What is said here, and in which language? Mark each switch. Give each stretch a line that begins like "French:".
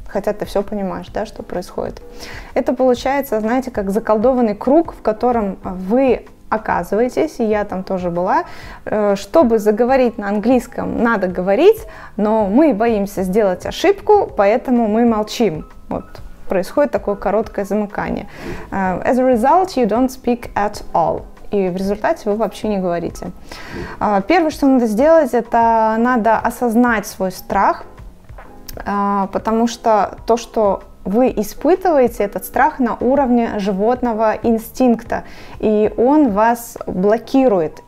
Russian: Хотя ты все понимаешь, да, что происходит. Это получается, знаете, как заколдованный круг, в котором вы оказываетесь, и я там тоже была. Чтобы заговорить на английском, надо говорить, но мы боимся сделать ошибку, поэтому мы молчим. Вот происходит такое короткое замыкание.
English: As a result, you don't speak at all.
Russian: И в результате вы вообще не говорите. Первое, что надо сделать, это надо осознать свой страх, потому что то, что вы испытываете, этот страх на уровне животного инстинкта, и он вас блокирует.